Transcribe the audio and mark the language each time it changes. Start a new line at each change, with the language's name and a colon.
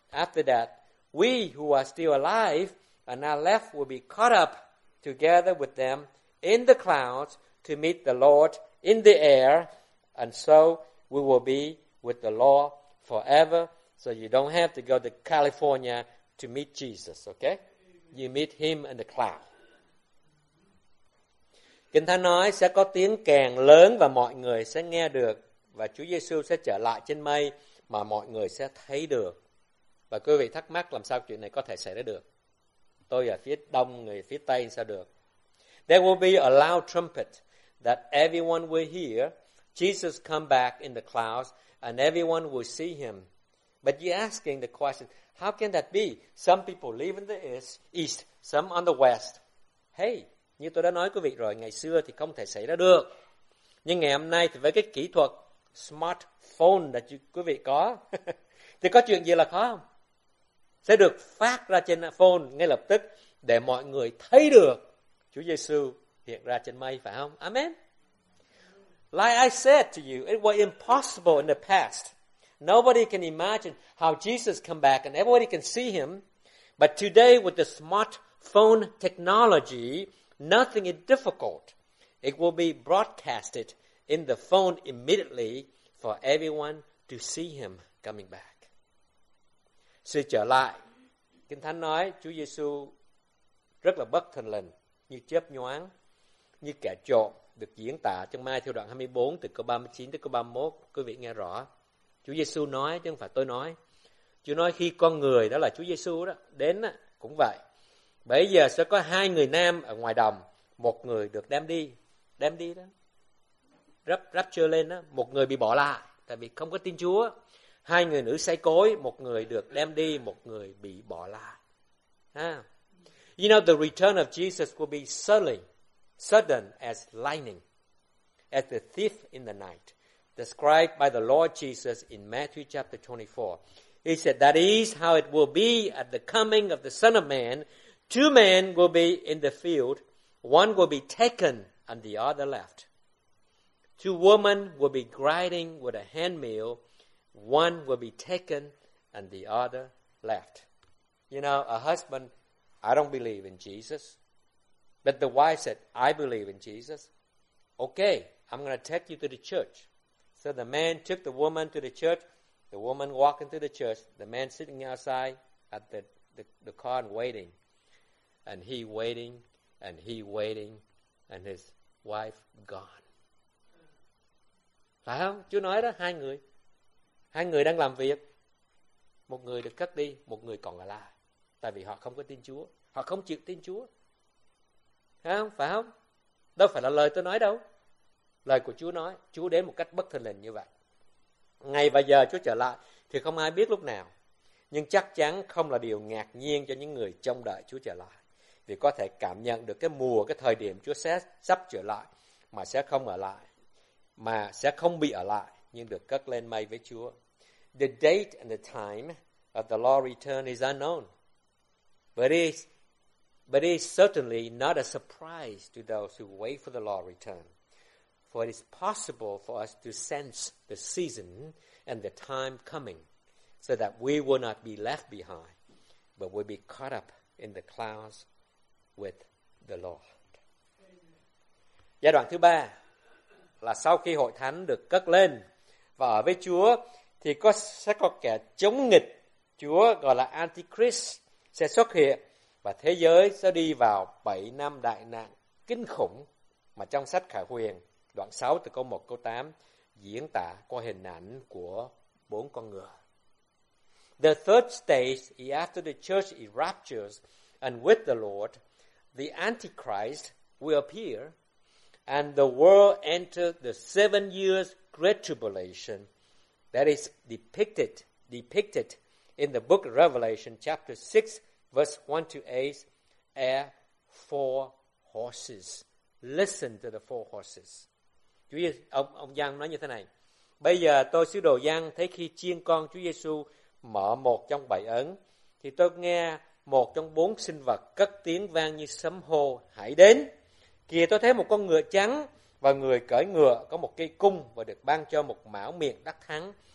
English: After that, we who are still alive and are left will be caught up together with them in the clouds to meet the Lord in the air, and so we will be with the Lord forever. So you don't have to go to California to meet Jesus, okay? You meet him in the cloud.
Vietnamese: Kinh Thánh nói sẽ có tiếng kèn lớn và mọi người sẽ nghe được, và Chúa Giêsu sẽ trở lại trên mây mà mọi người sẽ thấy được. Và quý vị thắc mắc làm sao chuyện này có thể xảy ra được. Tôi ở phía đông, người phía tây sao được?
English: There will be a loud trumpet that everyone will hear. Jesus come back in the clouds and everyone will see him. But you're asking the question, how can that be? Some people live in the east, some on the west.
Vietnamese: Hey, như tôi đã nói quý vị rồi, ngày xưa thì không thể xảy ra được. Nhưng ngày hôm nay thì với cái kỹ thuật smartphone
English: that
Vietnamese: quý vị có, thì có chuyện gì là khó không? Sẽ được phát ra trên phone ngay lập tức để mọi người thấy được Chúa Giêsu hiện ra trên mây, phải không? Amen.
English: Like I said to you, it was impossible in the past. Nobody can imagine how Jesus come back and everybody can see him. But today with the smartphone technology, nothing is difficult. It will be broadcasted in the phone immediately for everyone to see him coming back.
Vietnamese: Sự trở lại, Kinh Thánh nói Chúa Giêsu rất là bất thình lình, như chớp nhoáng, như kẻ trộm, được diễn tả trong Ma-thi-ơ theo đoạn 24 từ câu 39 tới câu 31. Quý vị nghe rõ, Chúa Giêsu nói chứ không phải tôi nói. Chúa nói khi con người, đó là Chúa Giêsu đó, đến cũng vậy. Bây giờ sẽ có hai người nam ở ngoài đồng, một người được đem đi đó, rapture lên đó, một người bị bỏ lại tại vì không có tin Chúa. Hai người nữ say cối, một người được đem đi, một người bị bỏ lại.
English: You know, the return of Jesus will be sudden as lightning, as the thief in the night, described by the Lord Jesus in Matthew chapter 24. He said, that is how it will be at the coming of the Son of Man. Two men will be in the field, one will be taken and the other left. Two women will be grinding with a handmill, one will be taken and the other left. You know, a husband, I don't believe in Jesus. But the wife said, I believe in Jesus. Okay, I'm going to take you to the church. So the man took the woman to the church. The woman walked into the church. The man sitting outside at the car and waiting. And he waiting, and he waiting, and his wife gone.
Vietnamese: Phải không? Chú nói đó, hai người đang làm việc. Một người được cất đi, một người còn ở lại. Tại vì họ không có tin Chúa. Họ không chịu tin Chúa. Thấy không? Phải không? Đâu phải là lời tôi nói đâu. Lời của Chúa nói, Chúa đến một cách bất thình lình như vậy. Ngày và giờ Chúa trở lại thì không ai biết lúc nào. Nhưng chắc chắn không là điều ngạc nhiên cho những người trông đợi Chúa trở lại. Vì có thể cảm nhận được cái mùa, cái thời điểm Chúa sẽ sắp trở lại mà sẽ không ở lại. Mà sẽ không bị ở lại nhưng được cất lên mây với Chúa.
English: The date and the time of the Lord's return is unknown. But it is certainly not a surprise to those who wait for the Lord's return. For it is possible for us to sense the season and the time coming so that we will not be left behind, but will be caught up in the clouds with the Lord.
Vietnamese: Giai đoạn thứ ba là sau khi hội thánh được cất lên và ở với Chúa, thì sẽ có kẻ chống nghịch Chúa gọi là Antichrist sẽ xuất hiện và thế giới sẽ đi vào 7 năm đại nạn kinh khủng mà trong sách Khải Huyền đoạn 6 từ câu 1 câu 8 diễn tả qua hình ảnh của 4 con ngựa.
English: The third stage is after the church is raptured and with the Lord, the Antichrist will appear and the world enter the 7 years great tribulation that is depicted in the book of Revelation chapter 6 verse 1 to 8 are 4 horses. Listen to the 4 horses.
Vietnamese: Chúa Giê-xu, ông Giăng nói như thế này. Bây giờ tôi sứ đồ Giăng thấy khi chiên con Chúa Giê-xu mở một trong 7 ấn thì tôi nghe một trong 4 sinh vật cất tiếng vang như sấm hô: hãy đến. Kìa, tôi thấy một con ngựa trắng và người cưỡi ngựa có một cây cung và được ban cho một mão miệng đắc thắng.